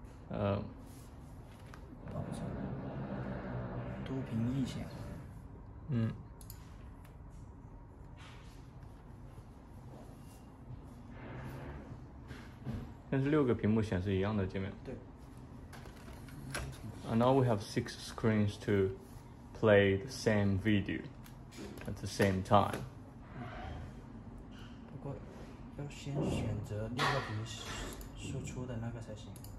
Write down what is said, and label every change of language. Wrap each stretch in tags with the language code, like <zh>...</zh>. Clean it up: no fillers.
<zh>多屏异响。但是六个屏幕显示一样的界面。对。</zh> <en>And now we have 6 screens to play the same video at the same time.</en> <zh>不过要先选择六个屏输出的那个才行。</zh>